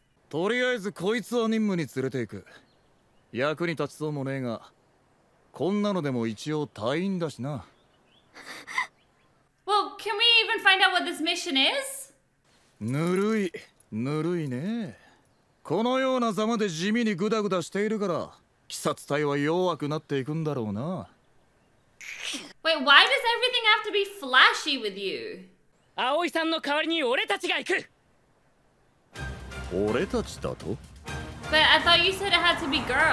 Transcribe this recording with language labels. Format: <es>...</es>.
<ja>とりあえずこいつは任務に連れて行く。役に立ちそうもねえが、こんなのでも一応隊員だしな。</ja> <en>Well, can we even find out what this mission is?</en> <ja>ぬるい、ぬるいね。このようなざまで地味にグダグダしているから、鬼殺隊は弱くなっていくんだろうな。</ja> <en>Wait, why does everything have to be flashy with you?</en> <ja>葵さんの代わりに俺たちが行く。俺たちだと?</ja> <en>But I thought you said it had to be girls.</en>